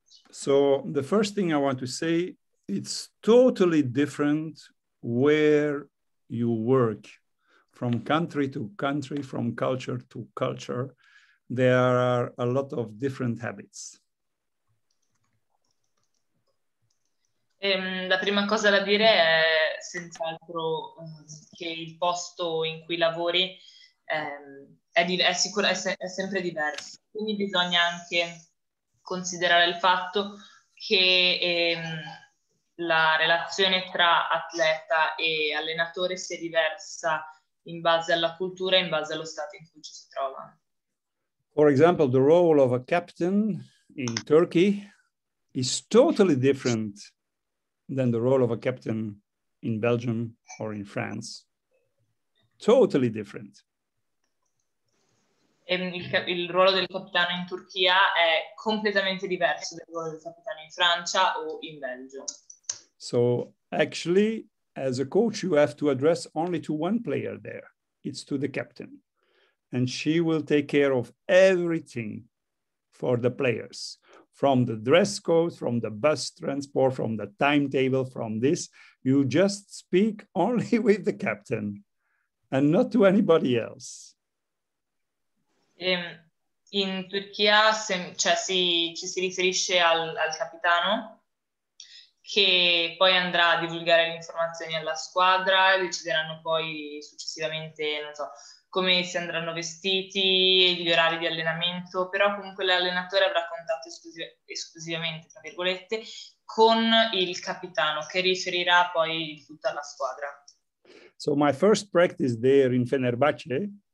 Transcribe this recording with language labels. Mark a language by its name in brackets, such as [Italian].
[English] So the first thing I want to say, it's totally different where you work, from country to country, from culture to culture. There are a lot of different habits. [Italian] La prima cosa da dire è senz'altro che il posto in cui lavori è sempre diverso. Quindi bisogna anche considerare il fatto che la relazione tra atleta e allenatore sia diversa in base alla cultura e in base allo stato in cui ci si trova. [English] For example, the role of a captain in Turkey is totally different than the role of a captain in Belgium or in France. Totally different. [Italian] Il ruolo del capitano in Turchia è completamente diverso dal ruolo del capitano in Francia o in Belgio. [English] So actually, as a coach, you have to address only to one player there. It's to the captain. And she will take care of everything for the players, from the dress code, from the bus transport, from the timetable, from this. You just speak only with the captain and not to anybody else. [Italian] In Turchia ci si riferisce al capitano, che poi andrà a divulgare le informazioni alla squadra, decideranno poi successivamente, non so, come si andranno vestiti, gli orari di allenamento, però comunque l'allenatore avrà contatto esclusivamente, tra virgolette, con il capitano, che riferirà poi tutto alla squadra. [English] So my first practice there in Fenerbahce,